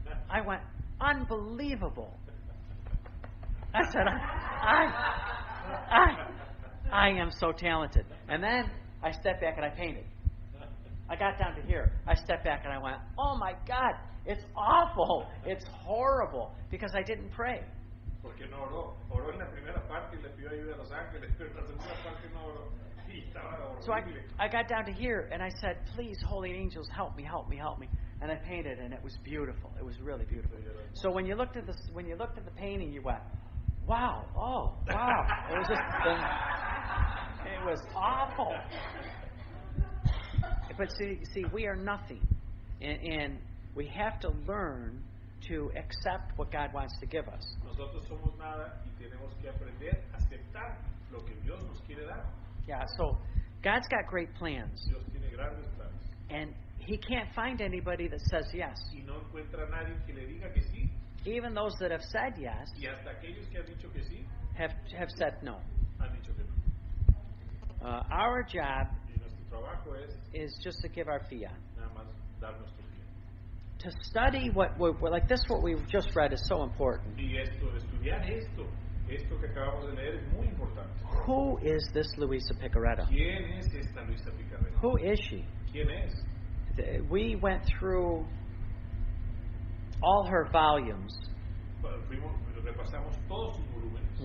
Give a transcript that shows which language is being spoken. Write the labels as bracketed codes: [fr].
[en] I went, unbelievable. I said, I am so talented. And then I stepped back and I painted. I got down to here. I stepped back and I went, oh my God, it's awful. It's horrible. Because I didn't pray. [es] Porque no oró. Oró en la primera parte y le pidió ayuda a los ángeles, pero en la segunda parte no oró. [en] So I got down to here and I said, please, holy angels, help me, help me, help me. And I painted and it was beautiful. It was really beautiful. So when you looked at this, when you looked at the painting, you went, wow, oh, wow. It was just, it was awful. But see, we are nothing. And we have to learn to accept what God wants to give us. [es] Nosotros somos nada y tenemos que aprender a aceptar lo que Dios nos quiere dar. [en] Yeah, so God's got great plans. [es] Dios tiene grandes planes. [en] And He can't find anybody that says yes. [es] Y no encuentra nadie que le diga que sí. [en] Even those that have said yes [es] y hasta aquellos que han dicho que sí, [en] have said no. [es] Han dicho que no. [en] Our job [es] y nuestro trabajo [en] is just to give our fiat. [es] Nada más dar nuestro fiat. [en] To study what we've just read is so important. [es] Y esto, estudiar esto. Esto que acabamos de leer es muy importante. [en] Who is this Luisa Piccarreta? [es] ¿Quién es esta Luisa Piccarreta? [en] Who is she? [es] ¿Quién es? [en] We went through all her volumes [es] repasamos todos sus volúmenes